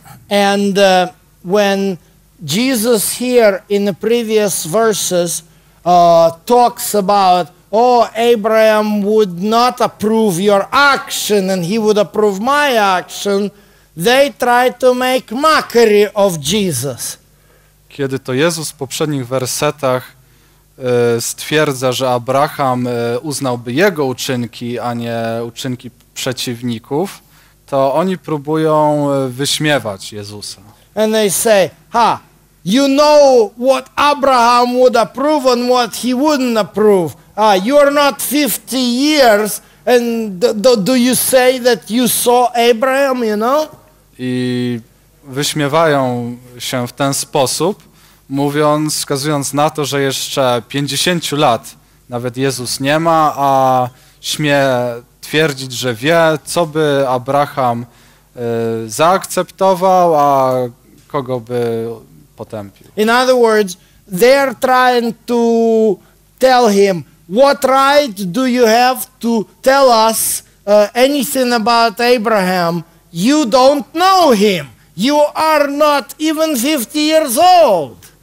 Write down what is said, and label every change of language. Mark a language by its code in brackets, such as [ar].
[en] And when Jesus here in the previous verses talks about, oh, Abraham would not approve your action and he would approve my action, they try to make mockery of Jesus. [pl] Kiedy to Jezus w poprzednich wersetach stwierdza, że Abraham uznałby jego uczynki, a nie uczynki przeciwników, to oni próbują wyśmiewać Jezusa. [en] And they say, ha, you know what Abraham would approve and what he wouldn't approve. Ah, you are not 50 years and do you say that you saw Abraham, you know? [pl] I wyśmiewają się w ten sposób, mówiąc, wskazując na to, że jeszcze 50 lat nawet Jezus nie ma, a śmie twierdzić, że wie, co by Abraham zaakceptował, a kogo by potępił. [en] In other words, they are trying to tell him, what right do you have to tell us anything about Abraham? You don't know him. You are not even 50 years old.